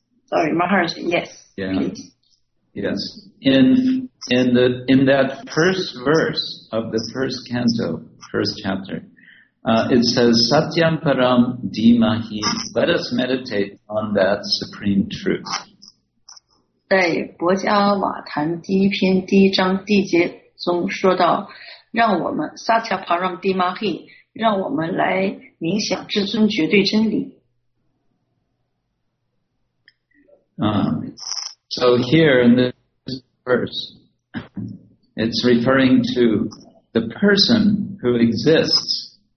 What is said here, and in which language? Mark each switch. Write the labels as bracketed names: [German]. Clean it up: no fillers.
[Chinese] 邀请我们和， [English] sorry, Maharaj, yes, please. In that first verse of the first canto, first chapter, it says, [Sanskrit] Satyam Param Dimahi, [English] let us meditate on that supreme truth. [Chinese] 在《薄伽瓦坛》第一篇第一章第一节中说到, 让我们 [Sanskrit] Satyam Param Dimahi, [Chinese] 让我们来冥想至尊绝对真理。 [English] So here in this verse, it's referring to the person who exists